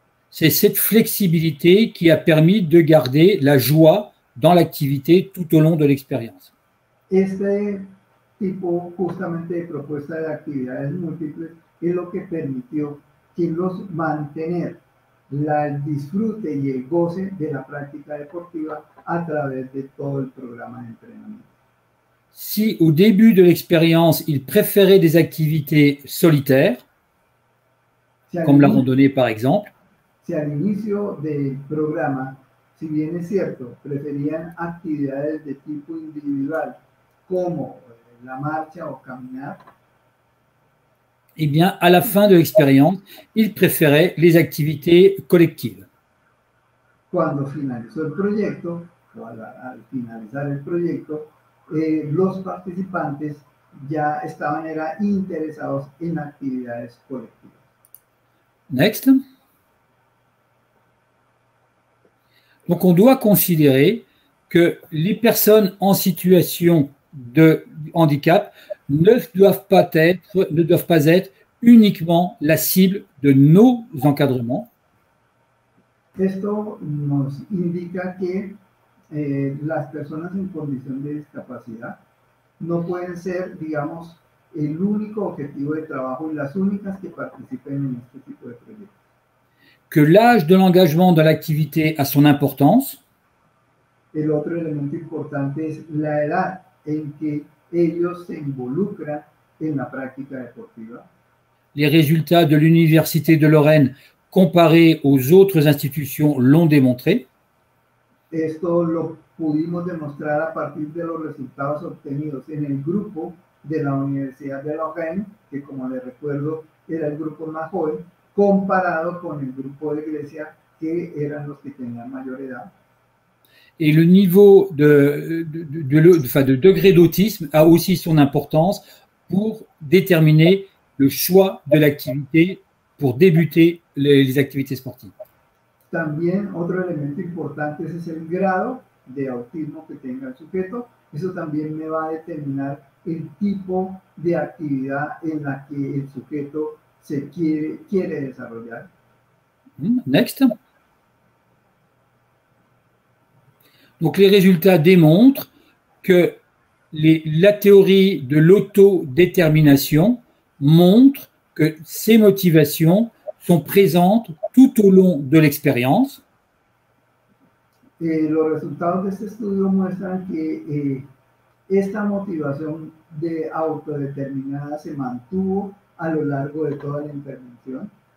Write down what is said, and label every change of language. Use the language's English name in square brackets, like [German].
[French] c'est cette flexibilité qui a permis de garder la joie dans l'activité tout au long de l'expérience. [Spanish] Este tipo justamente de propuesta de actividades múltiples es lo que permitió que los mantener la disfrute y el goce de la práctica deportiva a través de todo el programa de entrenamiento. [French] Si au début de l'expérience, ils préféraient des activités solitaires, comme la randonnée par exemple, [Spanish] si à l'inizio del programa, si bien es cierto, preferían actividades de tipo individual, como la marcha o caminar, [French] eh bien, à la fin de l'expérience, ils préféraient les activités collectives. [Spanish] Cuando finalizó el proyecto, o al finalizar el proyecto, los participantes ya estaban era interesados en actividades colectivas. [English] Next. [French] Donc on doit considérer que les personnes en situation de handicap ne doivent pas être uniquement la cible de nos encadrements. [Spanish] Esto nos indica que las personas en condición de discapacidad no pueden ser, digamos, el único objetivo de trabajo y las únicas que participen en este tipo de proyectos. [French] Que l'âge de l'engagement de l'activité a son importance. [Spanish] El otro elemento importante es la edad en que ellos se involucran en la práctica deportiva. [French] Les résultats de l'Université de Lorraine comparés aux autres institutions l'ont démontré. [Spanish] Esto lo pudimos demostrar a partir de los resultados obtenidos en el grupo de la Universidad de Lorraine, que como les recuerdo era el grupo más joven, comparado con el grupo de Grecia, que eran los que tenían mayor edad. [French] Et le niveau de degré d'autisme a aussi son importance pour déterminer le choix de l'activité pour débuter les activités sportives. [Spanish] También otro elemento importante es el grado de autismo que tenga el sujeto. Eso también me va a determinar el tipo de actividad en la que el sujeto se quiere desarrollar. [English] Next. [French] Donc les résultats démontrent que la théorie de l'autodétermination montre que ces motivations sont présentes tout au long de l'expérience. [Spanish] Los resultados de este estudio muestran que esta motivación de autodeterminada se mantuvo a lo largo de toda la intervención.